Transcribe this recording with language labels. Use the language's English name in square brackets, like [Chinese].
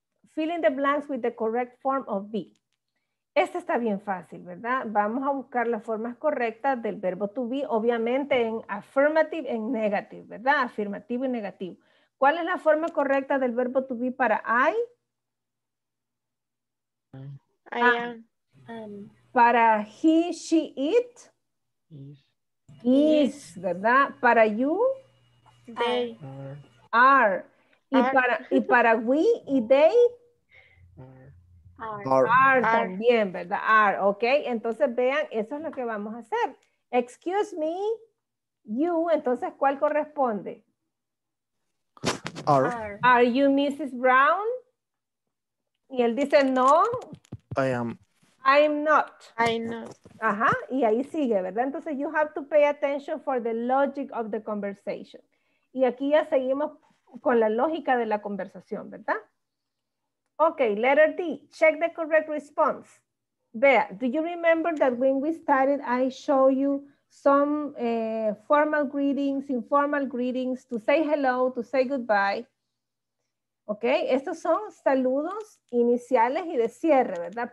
[English] Fill in the blanks with the correct form of be. [Spanish] Esta está bien fácil, ¿verdad? Vamos a buscar las formas correctas del verbo to be, obviamente en affirmative y negative, ¿verdad? Afirmativo y negativo. ¿Cuál es la forma correcta del verbo to be para I? [English] I am. [Spanish] Para he, she, it? [English] Is. [Spanish] Is, ¿verdad? Para you? [English] They. [Spanish] Are. Y para we y they? [English] Are. [Spanish] También, ¿verdad? Are, ok. Entonces vean, eso es lo que vamos a hacer. [English] Excuse me, you, [Spanish] entonces ¿cuál corresponde? [English] Are you Mrs. Brown? Y él dice no. I am. I'm not. I'm not. [Spanish] Ajá, y ahí sigue, ¿verdad? [English] Entonces you have to pay attention for the logic of the conversation. [Spanish] Y aquí ya seguimos con la lógica de la conversación, ¿verdad? [English] Ok, letter D. Check the correct response. Bea, do you remember that when we started, I show you some formal greetings, informal greetings, to say hello, to say goodbye. [Spanish] Ok, estos son saludos iniciales y de cierre, ¿verdad?